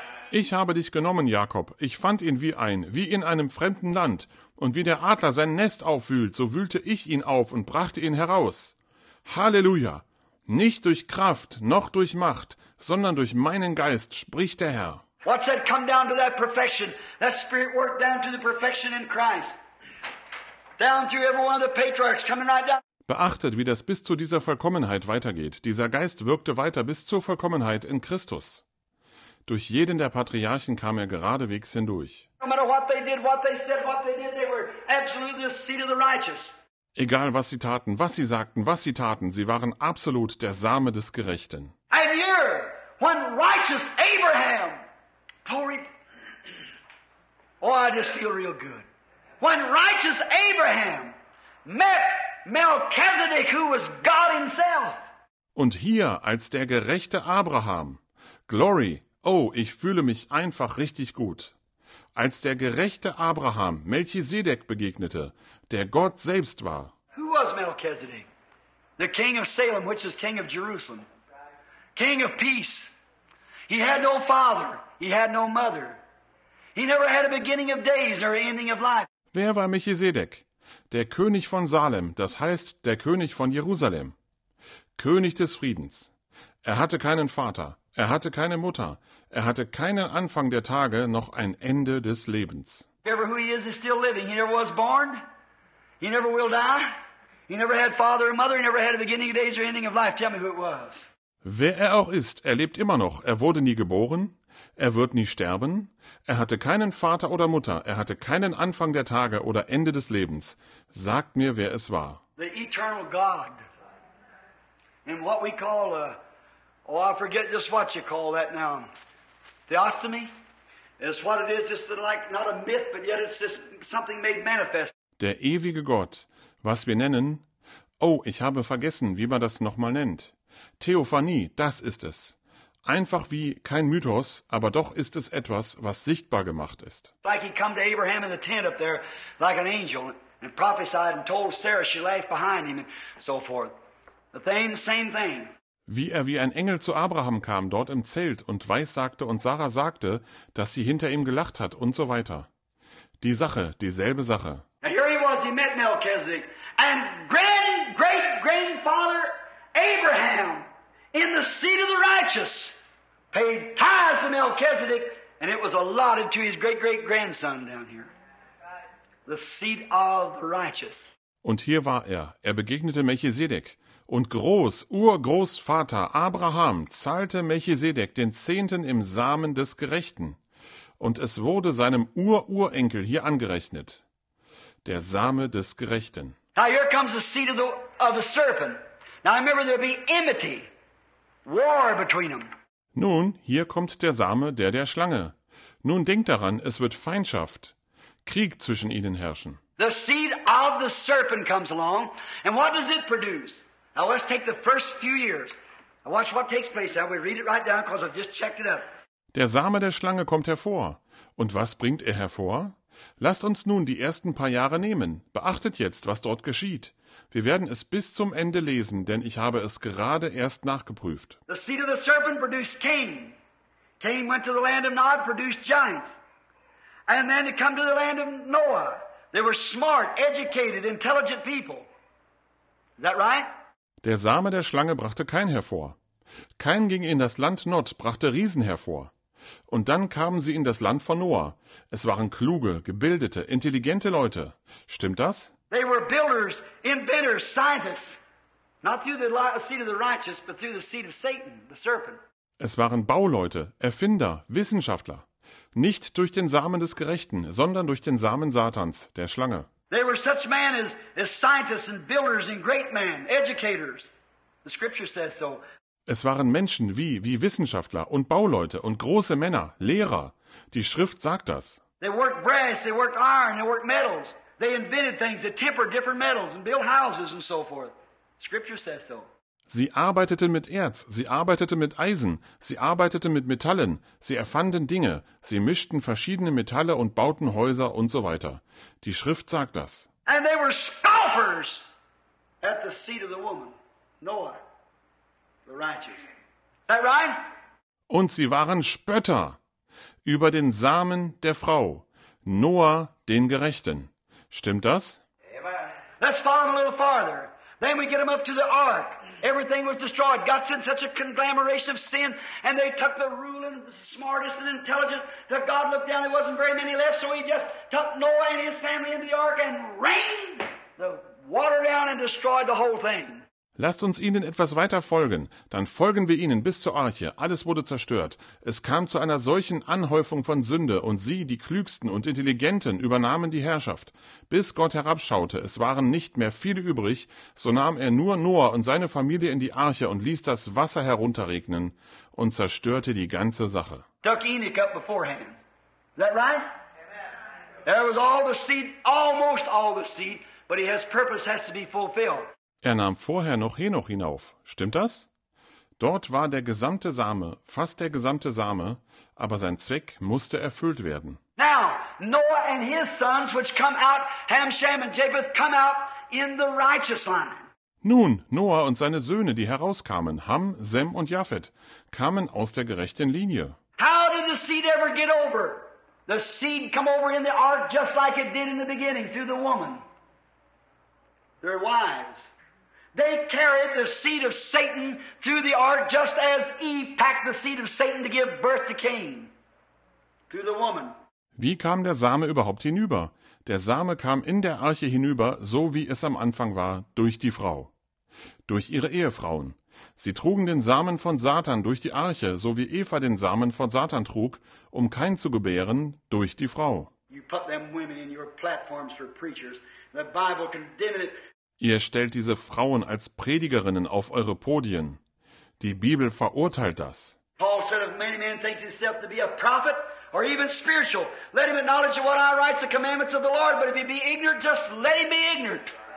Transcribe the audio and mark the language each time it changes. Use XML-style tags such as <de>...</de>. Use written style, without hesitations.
<de>Ich habe dich genommen, Jakob. Ich fand ihn wie in einem fremden Land. Und wie der Adler sein Nest aufwühlt, so wühlte ich ihn auf und brachte ihn heraus. Halleluja! Nicht durch Kraft noch durch Macht, sondern durch meinen Geist, spricht der Herr.</de> <en>What's that come down to that perfection? That Spirit worked down to the perfection in Christ. Down through every one of the patriarchs coming right down.</en> <de>Beachtet, wie das bis zu dieser Vollkommenheit weitergeht. Dieser Geist wirkte weiter bis zur Vollkommenheit in Christus. Durch jeden der Patriarchen kam er geradewegs hindurch.</de> <en>No matter what they did, what they said, what they did, they were absolutely the seed of the righteous.</en> <de>Egal, was sie taten, was sie sagten, was sie taten, sie waren absolut der Same des Gerechten.</de> <en>And here, when righteous Abraham, glory, oh, I just feel real good. When righteous Abraham met Melchizedek, who was God himself.</en> <de>Und hier, als der gerechte Abraham,</de> <en>glory,</en> <de>oh, ich fühle mich einfach richtig gut. Als der gerechte Abraham Melchizedek begegnete, der Gott selbst war.</de> <en>Who was Melchizedek? The king of Salem, which is king of Jerusalem. King of peace. He had no father. He had no mother. He never had a beginning of days or ending of life.</en> <de>Wer war Melchizedek? Der König von Salem, das heißt der König von Jerusalem. König des Friedens. Er hatte keinen Vater. Er hatte keine Mutter. Er hatte keinen Anfang der Tage noch ein Ende des Lebens.</de> <en>Whoever he is still living. He never was born. He never will die. He never had father or mother. He never had a beginning of days or ending of life. Tell me who it was.</en> <de>Wer er auch ist, er lebt immer noch. Er wurde nie geboren. Er wird nie sterben. Er hatte keinen Vater oder Mutter. Er hatte keinen Anfang der Tage oder Ende des Lebens. Sagt mir, wer es war.</de> <en>The eternal God. In what we call a, oh, I forget just what you call that now. Theostomy? It's what it is, just like not a myth, but yet it's just something made manifest.</en> <de>Der ewige Gott, was wir nennen, oh, ich habe vergessen, wie man das nochmal nennt. Theophanie, das ist es. Einfach wie kein Mythos, aber doch ist es etwas, was sichtbar gemacht ist.</de> <en>Like he'd come to Abraham in the tent up there, like an angel, and prophesied and told Sarah she left behind him and so forth. The same thing.</en> <de>Wie er wie ein Engel zu Abraham kam, dort im Zelt, und weissagte und Sarah sagte, dass sie hinter ihm gelacht hat, und so weiter. Die Sache, dieselbe Sache.</de> <en>And here he was, he met Melchizedek, and great-great-grandfather Abraham, in the seat of the righteous, paid tithes to Melchizedek, and it was allotted to his great-great-grandson down here. The seat of the righteous.</en> <de>Und hier war er. Er begegnete Melchizedek. Und Groß, Urgroßvater Abraham zahlte Melchisedek den Zehnten im Samen des Gerechten. Und es wurde seinem Ururenkel hier angerechnet. Der Same des Gerechten.</de> <en>Now here comes the seed of the serpent. Now remember, there'll be enmity, war between them.</en> <de>Nun, hier kommt der Same der Schlange. Nun denkt daran, es wird Feindschaft, Krieg zwischen ihnen herrschen.</de> <en>The seed of the serpent comes along, and what does it produce? Now let's take the first few years. Now watch what takes place. Now we read it right down because I've just checked it up.</en> <de>Der Same der Schlange kommt hervor. Und was bringt er hervor? Lasst uns nun die ersten paar Jahre nehmen. Beachtet jetzt, was dort geschieht. Wir werden es bis zum Ende lesen, denn ich habe es gerade erst nachgeprüft.</de> <en>The seed of the serpent produced Cain. Cain went to the land of Nod, produced giants. And then it came to the land of Noah. They were smart, educated, intelligent people. Is that right?</en> <de>Der Same der Schlange brachte Kain hervor. Kain ging in das Land Nod, brachte Riesen hervor. Und dann kamen sie in das Land von Noah. Es waren kluge, gebildete, intelligente Leute. Stimmt das?</de> <en>They were builders, inventors, scientists. Not through the seed of the righteous, but through the seed of Satan, the serpent.</en> <de>Es waren Bauleute, Erfinder, Wissenschaftler. Nicht durch den Samen des Gerechten, sondern durch den Samen Satans, der Schlange.</de> <en>They were such men as scientists and builders and great men, educators. The scripture says so.</en> <de>Es waren Menschen wie Wissenschaftler und Bauleute und große Männer, Lehrer. Die Schrift sagt das.</de> <en>They worked brass, they worked iron, they worked metals. They invented things, they tempered different metals and built houses and so forth. The scripture says so.</en> <de>Sie arbeiteten mit Erz, sie arbeiteten mit Eisen, sie arbeiteten mit Metallen, sie erfanden Dinge, sie mischten verschiedene Metalle und bauten Häuser und so weiter. Die Schrift sagt das.</de> <en>And they were scoffers at the seed of the woman, Noah, the righteous. Is that right?</en> <de>Und sie waren Spötter über den Samen der Frau, Noah, den Gerechten. Stimmt das? Amen.</de> <en>Let's follow a little farther. Then we get them up to the ark. Everything was destroyed. God sent such a conglomeration of sin, and they took the ruling, the smartest and intelligent. The God looked down, there wasn't very many left, so he just took Noah and his family in the ark and rained the water down and destroyed the whole thing.</en> <de>Lasst uns ihnen etwas weiter folgen, dann folgen wir ihnen bis zur Arche. Alles wurde zerstört. Es kam zu einer solchen Anhäufung von Sünde, und sie, die Klügsten und Intelligenten, übernahmen die Herrschaft. Bis Gott herabschaute, es waren nicht mehr viele übrig, so nahm er nur Noah und seine Familie in die Arche und ließ das Wasser herunterregnen und zerstörte die ganze Sache.</de> <en>Took Enoch up beforehand. Is that right? Amen. There was all the seed, almost all the seed, but his purpose has to be fulfilled.</en> <de>Er nahm vorher noch Henoch hinauf. Stimmt das? Dort war der gesamte Same, fast der gesamte Same, aber sein Zweck musste erfüllt werden.</de> <en>Now, Noah and his sons, which come out, Ham, Shem and Japheth, come out in the righteous line.</en> <de>Nun, Noah und seine Söhne, die herauskamen, Ham, Sem und Japheth, kamen aus der gerechten Linie.</de> <en>How did the seed ever get over? The seed come over in the ark just like it did in the beginning, through the woman. Their wives. They carried the seed of Satan through the ark just as Eve packed the seed of Satan to give birth to Cain through the woman.</en> <de>Wie kam der Same überhaupt hinüber? Der Same kam in der Arche hinüber, so wie es am Anfang war, durch die Frau. Durch ihre Ehefrauen. Sie trugen den Samen von Satan durch die Arche, so wie Eva den Samen von Satan trug, um Cain zu gebären, durch die Frau.</de> <en>You put them women in your platforms for preachers. The Bible condemned it.</en> <de>Ihr stellt diese Frauen als Predigerinnen auf eure Podien. Die Bibel verurteilt das.</de> <en>Paul said, if many men thinks himself to be a prophet or even spiritual. Let him acknowledge that what I write is the commandments of the Lord, but if he be ignorant, just let him be ignorant.</en>